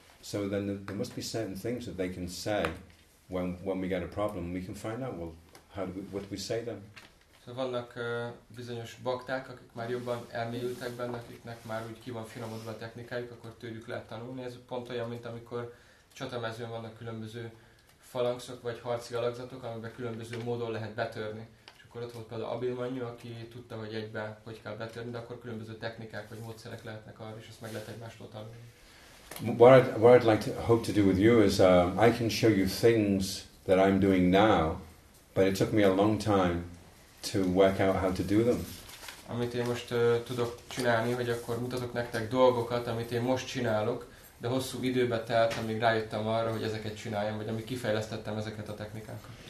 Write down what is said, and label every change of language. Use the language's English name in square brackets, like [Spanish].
[English] So then there must be certain things that they can say when we get a problem, we can find out, well, what do we say then? [Hungarian] So vannak bizonyos bakták, akik már jobban elmélyültek benne, akiknek már úgy ki van finomodva a technikájuk, akkor tőlük lehet tanulni. Ez pont olyan, mint amikor csatamezőn vannak különböző falangszok vagy harci alakzatok, amiben különböző módon lehet betörni. És akkor ott volt például Abhimanyu, aki tudta, hogy egybe hogy kell betörni, de akkor különböző technikák vagy módszerek lehetnek arra, és ezt meg lehet egymástól tanulni. [English] What I'd like to hope to do with you is I can show you things that I'm doing now, but it took me a long time to work out how to do them. [Hungarian] Amit én most tudok csinálni, hogy akkor mutatok nektek dolgokat, amit én most csinálok, de hosszú időbe telt, amíg rájöttem arra, hogy ezeket csináljam, vagy amíg kifejlesztettem ezeket a technikákat.